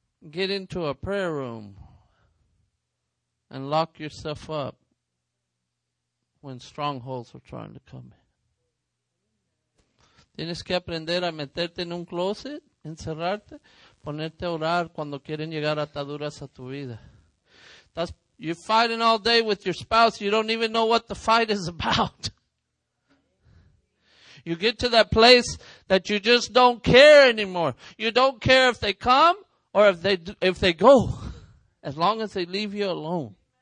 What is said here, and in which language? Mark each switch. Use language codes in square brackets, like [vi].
[en] get into a prayer room and lock yourself up when strongholds are trying to come in. [es] Tienes que aprender a meterte en un closet, encerrarte, ponerte a orar cuando quieren llegar ataduras a tu vida. [en] You're fighting all day with your spouse. You don't even know what the fight is about. You get to that place that you just don't care anymore. You don't care if they come or if they go. As long as they leave you alone.